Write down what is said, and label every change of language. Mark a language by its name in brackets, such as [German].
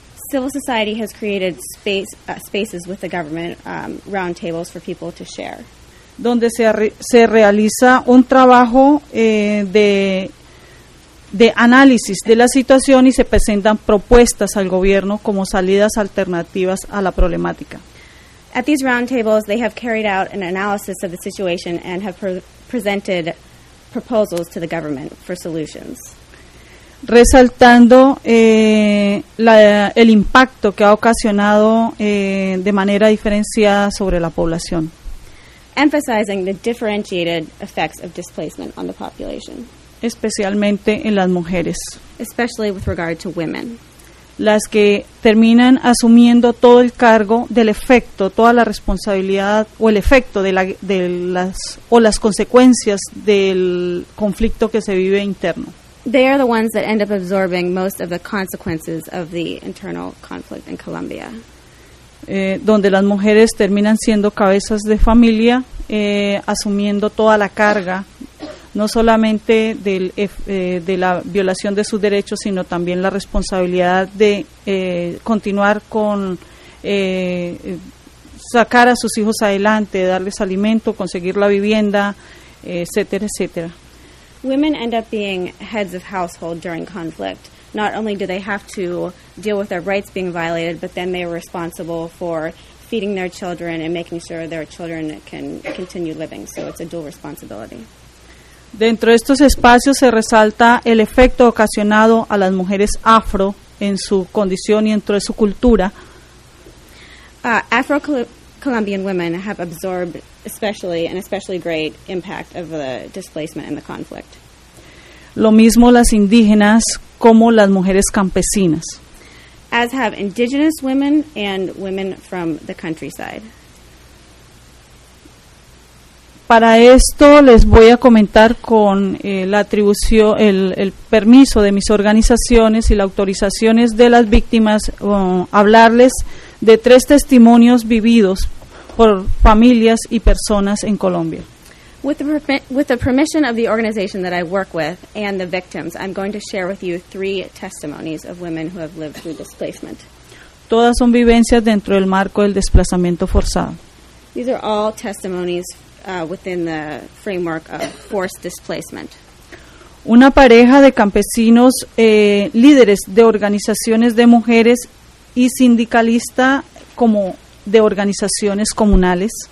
[English] Civil society has created spaces with the government, roundtables for people to share. [Spanish] donde se realiza un trabajo de análisis de la situación y se presentan propuestas al gobierno como salidas alternativas a la problemática. [English] At these roundtables, they have carried out an analysis of the situation and have presented proposals to the government for solutions. [Spanish] Resaltando el impacto que ha ocasionado de manera diferenciada sobre la población. [English] Emphasizing the differentiated effects of displacement on the population. [Spanish] Especialmente en las mujeres. [English] Especially with regard to women. [Spanish] Las que terminan asumiendo todo el cargo del efecto, toda la responsabilidad o el efecto de las consecuencias del conflicto que se vive interno. [English] They are the ones that end up absorbing most of the consequences of the internal conflict in Colombia. [Spanish] Donde las mujeres terminan siendo cabezas de familia, asumiendo toda la carga, no solamente de la violación de sus derechos, sino también la responsabilidad de continuar con sacar a sus hijos adelante, darles alimento, conseguir la vivienda, etcétera, etcétera. [English] Women end up being heads of household during conflict. Not only do they have to deal with their rights being violated, but then they are responsible for feeding their children and making sure their children can continue living. So it's a dual responsibility. [Spanish] Dentro de estos espacios se resalta el efecto ocasionado a las mujeres afro en su condición y dentro de su cultura. [English] Afro-Colombian women have absorbed especially great impact of the displacement and the conflict. [Spanish] Lo mismo las indígenas como las mujeres campesinas. [English] As have indigenous women and women from the countryside. [Spanish] Para esto les voy a comentar con la atribución, el permiso de mis organizaciones y las autorizaciones de las víctimas, hablarles de tres testimonios vividos por familias y personas en Colombia. [English] With the permission of the organization that I work with and the victims, I'm going to share with you three testimonies of women who have lived through displacement. [Spanish] Todas son vivencias dentro del marco del desplazamiento forzado. [English] These are all testimonies within the framework of forced displacement. [Spanish] Una pareja de campesinos, líderes de organizaciones de mujeres y sindicalista como de organizaciones comunales.